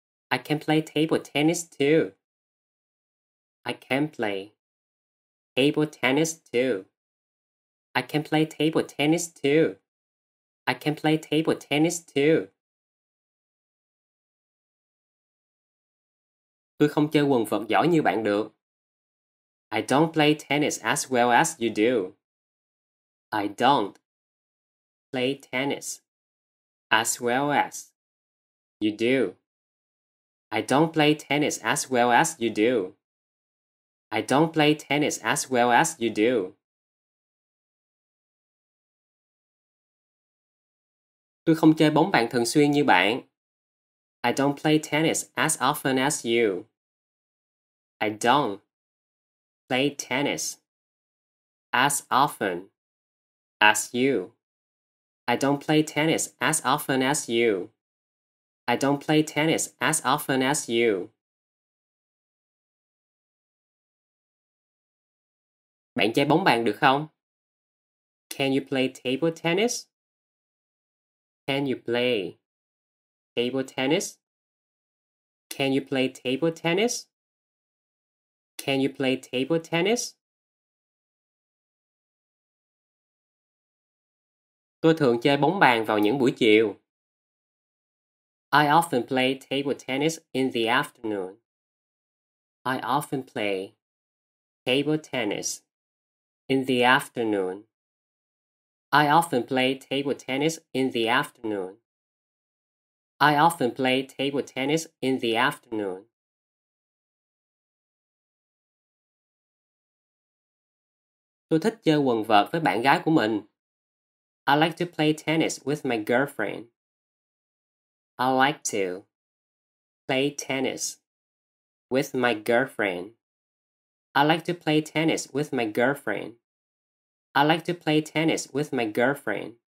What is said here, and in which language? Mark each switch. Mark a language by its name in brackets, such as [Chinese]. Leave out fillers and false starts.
[English] I can play table tennis too. I can play table tennis too. I can play table tennis too. I can play table tennis too. [Vietnamese] Tôi không chơi quần vợt giỏi như bạn được. [English] I don't play tennis as well as you do. I don't play tennis as well as you do. I don't play tennis as well as you do. I don't play tennis as well as you do. [Vietnamese] Tôi không chơi bóng bàn thường xuyên như bạn. [English] I don't play tennis as often as you. I don't play tennis as often as you. I don't play tennis as often as you. I don't play tennis as often as you. [Vietnamese] Bạn chơi bóng bàn được không? [English] Can you play table tennis? Can you play table tennis? Can you play table tennis? Can you play table tennis? [Vietnamese] Tôi thường chơi bóng bàn vào những buổi chiều. [English] I often play table tennis in the afternoon. I often play table tennis in the afternoon. I often play table tennis in the afternoon. I often play table tennis in the afternoon. [Vietnamese] Tôi thích chơi quần vợt với bạn gái của mình. [English] I like to play tennis with my girlfriend. I like to play tennis with my girlfriend. I like to play tennis with my girlfriend. I like to play tennis with my girlfriend.